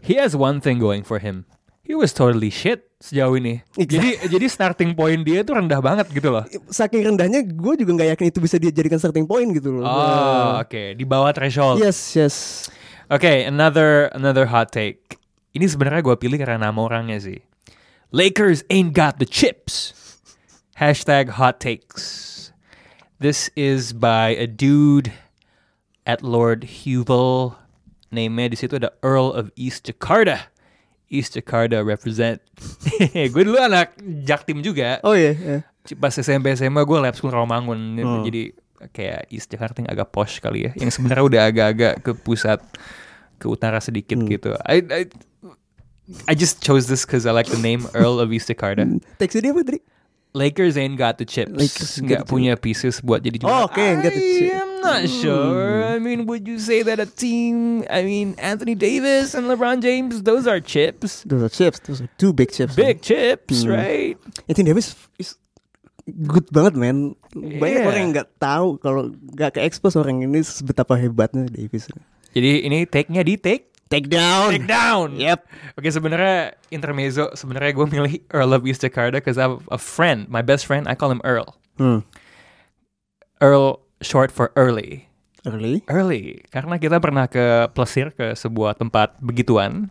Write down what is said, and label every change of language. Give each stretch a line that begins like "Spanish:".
English: He has one thing going for him. He was totally shit
Indonesian: sejauh ini.
English: Exactly.
Indonesian: Jadi starting point dia itu rendah banget gitu loh. Saking rendahnya, gue juga nggak yakin itu bisa dia jadikan starting point gitu loh. Oke. Di bawah threshold. Yes.
English: Okay, another hot take.
Indonesian: Ini sebenarnya gue pilih karena nama orangnya sih.
English: Lakers ain't got the chips. # hot takes. This is by a dude at Lord Huvel,
Indonesian: namanya di situ ada
English: Earl of East Jakarta. East Jakarta represent.
Indonesian: Gue dulu anak Jaktim juga. Oh iya. Pas SMP SMA gue lab school Rawamangun. Jadi kayak East Jakarta yang agak posh kali ya. Yang sebenarnya udah agak-agak ke pusat, ke utara sedikit gitu.
English: I just chose this because I like the name Earl of East Jakarta.
Indonesian: Teksnya dia apa tadi?
English: Lakers ain't got the chips.
Indonesian: Lakers gak punya pieces buat jadi juara.
English: Oh, okay, got the chips. I am not sure. I mean, would you say that a team, I mean, Anthony Davis and LeBron James, those are chips? Those are chips. Those are two big chips. Big chips, right? Anthony Davis is good banget, man.
Indonesian: Banyak orang yang gak tahu kalau gak ke-expose orang ini betapa hebatnya Davis. Jadi ini take-nya di take?
English: Take down. Yep.
Indonesian: Okay, sebenarnya intermezzo. Sebenarnya gue milih
English: Earl of East Jakarta because I have a friend, my best friend. I call him Earl. Earl, short for early. Early?
Indonesian: Early, karena kita pernah ke Plesir, ke sebuah tempat begituan.